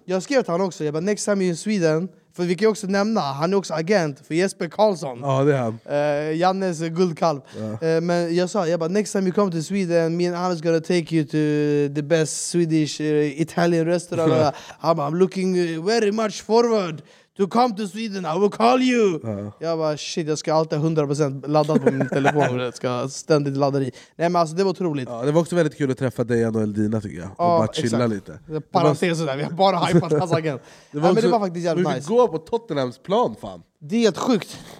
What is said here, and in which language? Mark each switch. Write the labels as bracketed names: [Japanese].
[Swedish] Jag skrev till han också. Jag bara, [English] next time you're in Sweden. [Swedish] För vi kan också nämna, han är också agent för Jesper Karlsson. Ja, det är han. Jannes guldkalv. Ja. Men jag sa, [English] next time you come to Sweden, me and Anna's gonna take you to the best Swedish Italian restaurant. I'm looking very much forward to come to Sweden. I will call you. [Swedish] Ja. Jag bara, shit, jag ska alltid 100% ladda på min telefon. Jag ska ständigt ladda i. Nej, men alltså, det var otroligt. Ja, det var också väldigt kul att träffa dig och Eldina, tycker jag. Och bara chilla lite. Parentes där, vi har bara hypat hans agent. Men det var faktiskt jävligt nice. Vi fick gå på Tottenhams plan, fan. Det är sjukt.